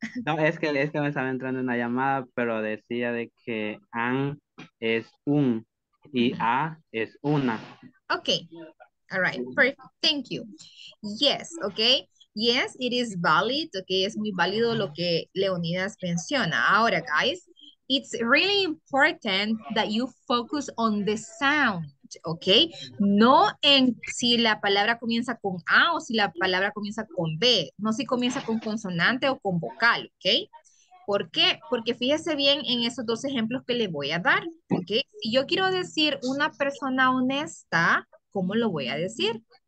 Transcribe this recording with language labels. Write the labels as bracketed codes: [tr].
[es] No, es que me estaba entrando una llamada, pero decía de que an es un y a es una. [en] Ok, all right, perfect, thank you. Yes, ok. Yes, it is valid, okay, [es] es muy válido lo que Leonidas menciona. Ahora, [en] guys, it's really important that you focus on the sound, okay? [es] No en si la palabra comienza con A o si la palabra comienza con B, no si comienza con consonante o con vocal, okay? ¿Por qué? Porque fíjese bien en esos dos ejemplos que le voy a dar, okay? Si yo quiero decir una persona honesta, ¿cómo lo voy a decir?